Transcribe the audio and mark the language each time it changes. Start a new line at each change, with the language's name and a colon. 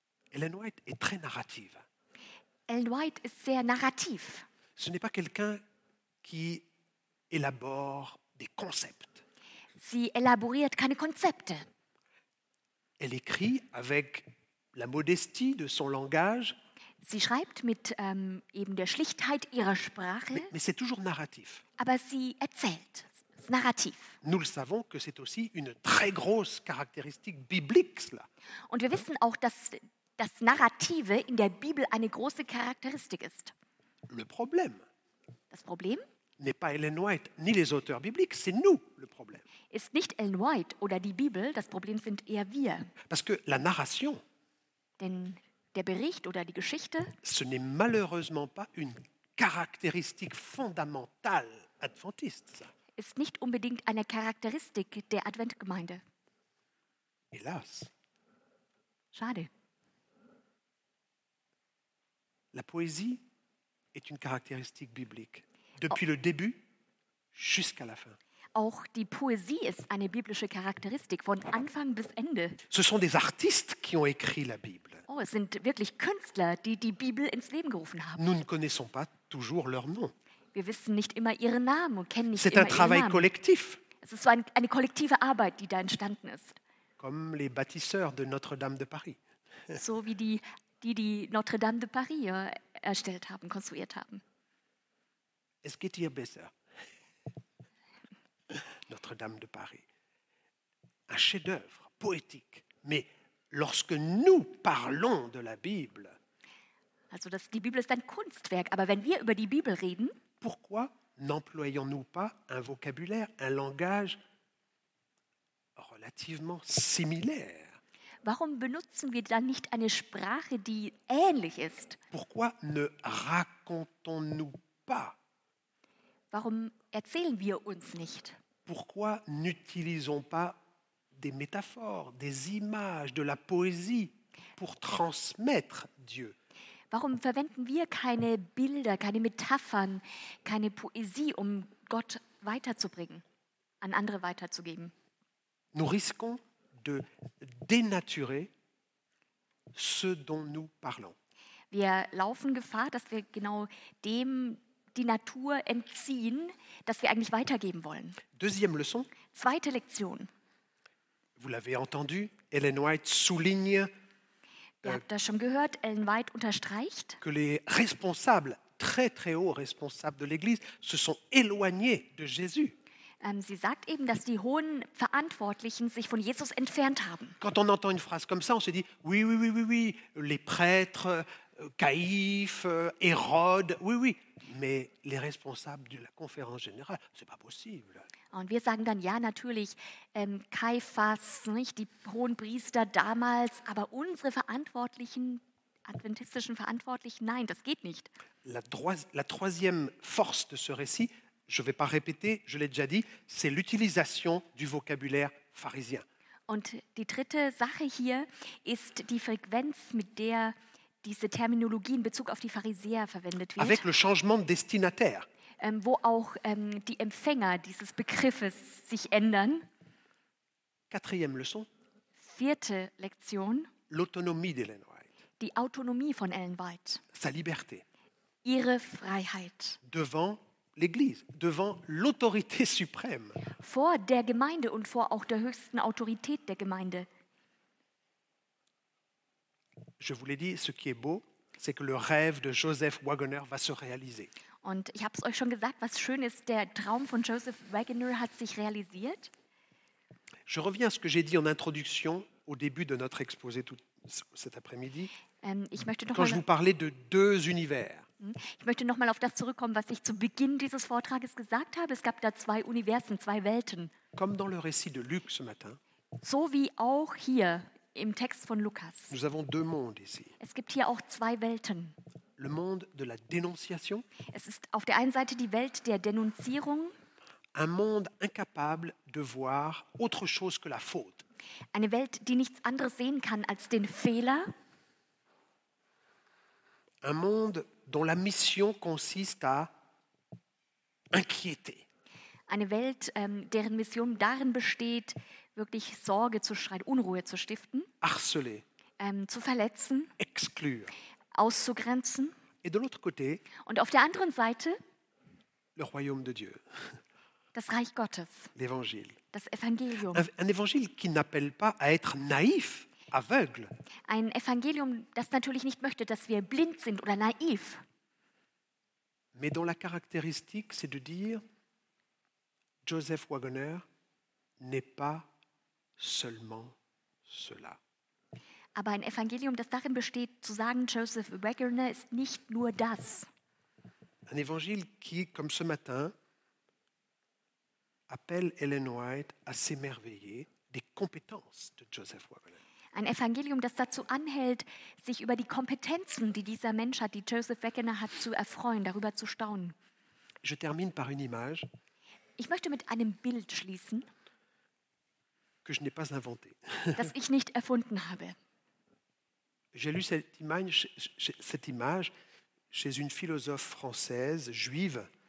French: Ellen White est très narrative.
German: Ellen White ist sehr narrativ.
French: Ce n'est pas quelqu'un qui élabore des concepts.
German: Sie elaboriert keine Konzepte.
French: Elle écrit avec la modestie de son langage.
German: Sie schreibt mit eben der Schlichtheit ihrer Sprache.
French: Mais c'est toujours narratif.
German: Aber sie erzählt. Narrativ.
French: Nous le savons que c'est aussi une très grosse caractéristique biblique, cela.
German: Und wir wissen auch, dass das Narrative in der Bibel eine große Charakteristik ist.
French: Le problème.
German: Das Problem?
French: N'est pas Ellen White ni les auteurs bibliques, c'est nous le problème.
German: Ist nicht Ellen White oder die Bibel, das Problem sind eher wir.
French: Parce que la narration.
German: Denn der Bericht oder die Geschichte.
French: Ce n'est malheureusement pas une caractéristique fondamentale adventiste. Ça.
German: Ist nicht unbedingt eine Charakteristik der Adventgemeinde.
French: Hélas.
German: Schade.
French: La poésie est une caractéristique biblique depuis le début jusqu'à la fin.
German: Auch die Poesie ist eine biblische Charakteristik von Anfang bis Ende.
French: Ce sont des artistes qui ont écrit la Bible.
German: Oh, es sind wirklich Künstler, die die Bibel ins Leben gerufen haben.
French: Nous ne connaissons pas toujours leur nom.
German: Wir wissen nicht immer ihren Namen und kennen nicht
French: c'est
German: immer
French: un travail
German: ihren Namen.
French: Collectif.
German: Es ist so eine kollektive Arbeit, die da entstanden ist.
French: Comme les bâtisseurs de Notre-Dame de Paris.
German: So wie die Notre-Dame de Paris erstellt haben, konstruiert haben. Es geht hier besser.
French: Notre-Dame de Paris. Un chef-d'œuvre poétique. Mais lorsque nous parlons de la Bible.
German: Also das, die Bibel ist ein Kunstwerk, aber wenn wir über die Bibel reden.
French: Pourquoi n'employons-nous pas un vocabulaire, un langage relativement similaire?
German: Warum benutzen wir dann nicht eine Sprache, die ähnlich ist?
French: Pourquoi ne racontons-nous pas?
German: Warum erzählen wir uns nicht?
French: Pourquoi n'utilisons pas des métaphores, des images, de la poésie pour transmettre Dieu?
German: Warum verwenden wir keine Bilder, keine Metaphern, keine Poesie, um Gott weiterzubringen, an andere weiterzugeben?
French: Nous risquons de dénaturer ce dont nous parlons.
German: Wir laufen Gefahr, dass wir genau dem die Natur entziehen, das wir eigentlich weitergeben wollen.
French: Deuxième leçon.
German: Zweite Lektion.
French: Vous l'avez entendu, Ellen White souligne.
German: Ihr habt das schon gehört, Ellen White unterstreicht,
French: que les responsables, très très hauts responsables de l'Église, se sont éloignés de Jésus.
German: Sie sagt eben, dass die hohen Verantwortlichen sich von Jesus entfernt haben.
French: Quand on entend une phrase comme ça, on se dit, oui, les prêtres, Caïphe, Hérode, oui, mais les responsables de la conférence générale, c'est pas possible.
German: Und wir sagen dann, ja, natürlich, Kaiphas, nicht die hohen Priester damals, aber unsere Verantwortlichen, adventistischen Verantwortlichen, nein, das geht nicht.
French: La troisième force de ce récit, je ne vais pas répéter, je l'ai déjà dit, c'est l'utilisation du vocabulaire pharisien.
German: Und die dritte Sache hier ist die Frequenz, mit der diese Terminologie in Bezug auf die Pharisäer verwendet wird.
French: Avec le changement de destinataire.
German: Wo auch die Empfänger dieses Begriffes sich ändern.
French: Quatrième leçon.
German: Vierte Lektion.
French: L'autonomie d'Ellen White.
German: Die Autonomie von Ellen White.
French: Sa liberté.
German: Ihre Freiheit.
French: Devant l'Église, devant l'autorité suprême.
German: Vor der Gemeinde und vor auch der höchsten Autorität der Gemeinde.
French: Je vous l'ai dit, ce qui est beau, c'est que le rêve de Joseph Wagoner va se réaliser.
German: Und ich habe es euch schon gesagt, was schön ist, der Traum von Joseph Wagoner hat sich realisiert.
French: Je reviens à ce que j'ai dit en introduction au début de notre exposé tout cet après-midi.
German: Ich möchte noch
French: quand mal je vous parlais de deux univers.
German: Ich möchte noch mal auf das zurückkommen, was ich zu Beginn dieses Vortrages gesagt habe. Es gab da zwei Universen, zwei Welten.
French: Comme dans le récit de Luc ce matin.
German: So wie auch hier im Text von Lukas.
French: Nous avons deux mondes ici.
German: Es gibt hier auch zwei Welten.
French: Le monde de la dénonciation.
German: Es ist auf der einen Seite die Welt der Denunzierung.
French: Un monde incapable de voir autre chose que la faute.
German: Eine Welt, die nichts anderes sehen kann als den Fehler.
French: Un monde dont la mission consiste à inquiéter.
German: Eine Welt, deren Mission darin besteht, wirklich Sorge zu streiten, Unruhe zu stiften.
French: Harceler.
German: Zu verletzen.
French: Exclure.
German: Auszugrenzen.
French: Et de l'autre côté,
German: und auf der anderen Seite.
French: Le royaume de Dieu.
German: Das Reich Gottes.
French: L'évangile.
German: Das Evangelium.
French: Un évangile qui n'appelle pas à être naïf. Aveugle.
German: Ein Evangelium, das natürlich nicht möchte, dass wir blind sind oder naiv.
French: Mais dont la caractéristique, c'est de dire, Joseph Wagoner n'est pas seulement cela.
German: Aber ein Evangelium, das darin besteht, zu sagen, Joseph Wagoner ist nicht nur das.
French: Un évangile qui, comme ce matin, appelle Ellen White à s'émerveiller des compétences de Joseph Wagoner.
German: Ein Evangelium, das dazu anhält, sich über die Kompetenzen, die dieser Mensch hat, die Joseph Wagoner hat, zu erfreuen, darüber zu staunen.
French: Je termine par une image.
German: Ich möchte mit einem Bild schließen,
French: que je n'ai pas inventé.
German: Das ich nicht erfunden habe.
French: J'ai lu cette image chez une philosophe française, juive.